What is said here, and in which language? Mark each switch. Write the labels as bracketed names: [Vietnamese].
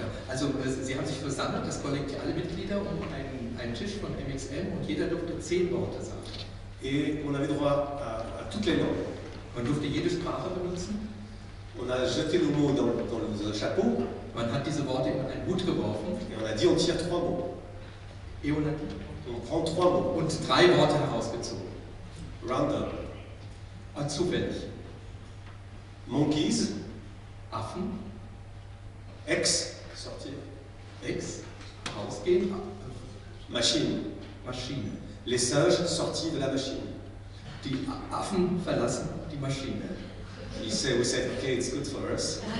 [German] Also, sie haben sich versammelt, das Kollektiv, alle Mitglieder, um einen Tisch von MXM und jeder durfte 10 Worte sagen. [French] Et on avait droit à toutes les langues. [German] Man durfte jede Sprache benutzen. [French] On a jeté le mot dans, dans le chapeau. [German] Man hat diese Worte in einen Hut geworfen. [French] Et on a dit, on tire trois mots. Et on a dit, on prend trois mots. [German] Und drei Worte herausgezogen. [English] Random. [German] Zufällig. [English] Monkeys. [German] Affen. [Latin] Ex. [French] Sortir. Ex. [German] Rausgehen. [English] Machine. [French] Machine. Les singes sortis de la machine. [German] Die Affen verlassen die Maschine. [English] He said, we said, okay, it's good for us.